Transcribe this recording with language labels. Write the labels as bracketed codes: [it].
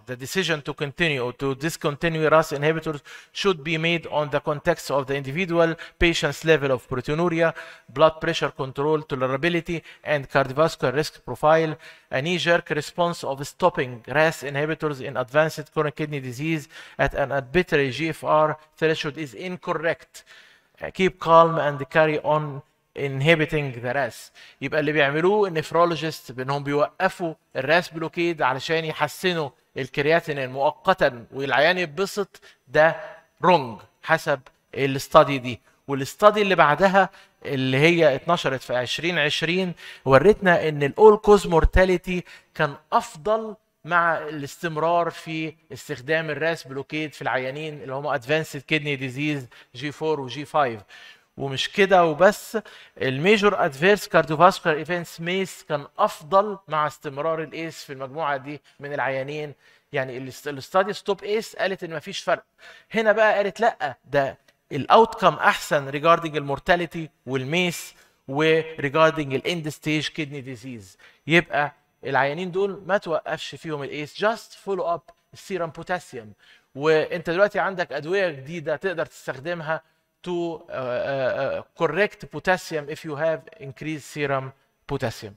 [en] The decision to continue or to discontinue RAS inhibitors should be made on the context of the individual patient's level of proteinuria, blood pressure control, tolerability, and cardiovascular risk profile. A knee-jerk response of stopping RAS inhibitors in advanced chronic kidney disease at an arbitrary GFR threshold is incorrect. Keep calm and carry on inhibiting the RAS. [ar] يبقى اللي بيعملوه النفرولوجيست بانهم بيوقفوا الراس بلوكيد علشان يحسنوا الكرياتينين مؤقتا والعيان يتبسط، ده رونج حسب الاستادي دي. والاستادي اللي بعدها اللي هي اتنشرت في 2020 ورتنا ان الاول كوز مورتاليتي كان افضل مع الاستمرار في استخدام الراس بلوكيد في العيانين اللي هم ادفانسد كيدني ديزيز جي 4 وجي 5. ومش كده وبس، الميجور ادفيرس كارديوفاسكولار ايفنتس ميس كان افضل مع استمرار الايس في المجموعه دي من العيانين. يعني الاستادي ستوب ايس قالت ان مفيش فرق، هنا بقى قالت لا، ده الاوتكم احسن ريجاردنج المورتاليتي والميس وريجاردنج الاند ستيج كيدني ديزيز. يبقى العيانين دول ما توقفش فيهم الايس، جاست فولو اب السيرم بوتاسيوم. وانت دلوقتي عندك ادويه جديده تقدر تستخدمها [en] to correct potassium if you have increased serum potassium.